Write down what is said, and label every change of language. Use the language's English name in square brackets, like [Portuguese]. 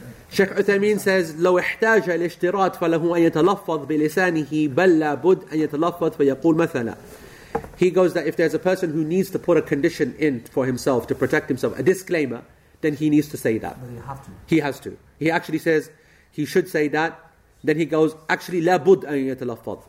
[English] Sheikh Uthaymeen says, [Arabic] لو احتاج الاشتراط فله أن يتلفظ بلسانه بل لابد أن يتلفظ فيقول مثلا. [English] He goes that if there's a person who needs to put a condition in for himself to protect himself, a disclaimer, then he needs to say that. But you have to. He has to. He actually says he should say that. Then he goes, actually, [Arabic] لا بد أن يتلفظ.